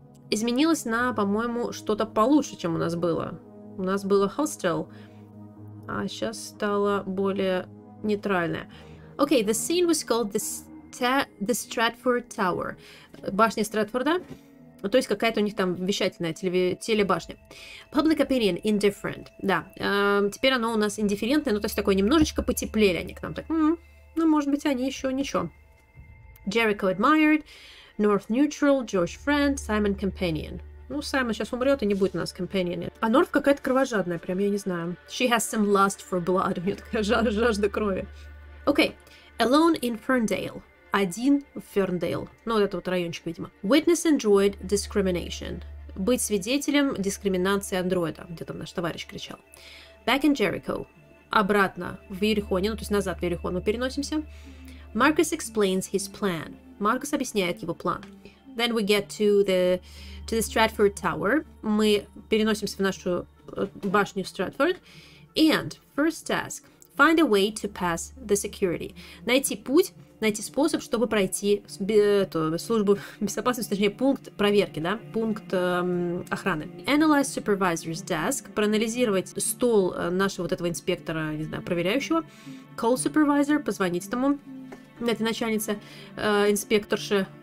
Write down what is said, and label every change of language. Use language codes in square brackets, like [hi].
[ru] Изменилось на, по-моему, что-то получше, чем у нас было. У нас было hostile, а сейчас стало более нейтральное. [en] Okay, the scene was called the Stratford Tower. [ru] Башня Стратфорда. То есть какая-то у них там вещательная телебашня. [en] Public opinion, indifferent. [ru] Да, теперь оно у нас индифферентное, ну то есть такое немножечко потеплели они к нам. Так, ну может быть они еще ничего. [en] Jericho admired, North neutral, George friend, Simon companion. [ru] Ну Саймон сейчас умрет и не будет у нас companion. А Норф какая-то кровожадная, прям я не знаю. [en] She has some lust for blood. [ru] У нее такая жажда крови. Окей, [en] okay. Alone in Ferndale. [ru] Один в Ферндейл. Ну, вот это вот райончик, видимо. [en] Witness enjoyed discrimination. [ru] Быть свидетелем дискриминации андроида. Где там наш товарищ кричал. [en] Back in Jericho. [ru] Обратно в Иерихоне. Ну, то есть назад в Иерихон мы переносимся. [en] Marcus explains his plan. [ru] Маркус объясняет его план. [en] Then we get to the Stratford Tower. [ru] Мы переносимся в нашу башню в [en] Stratford. And first task, find a way to pass the security. [ru] Найти путь, найти способ, чтобы пройти службу безопасности, точнее, пункт проверки, да, пункт охраны. [en] Analyze supervisor's desk, [ru] проанализировать стол нашего вот этого инспектора, не знаю, проверяющего. [en] Call supervisor, [ru] позвонить тому, этой начальнице, инспекторше.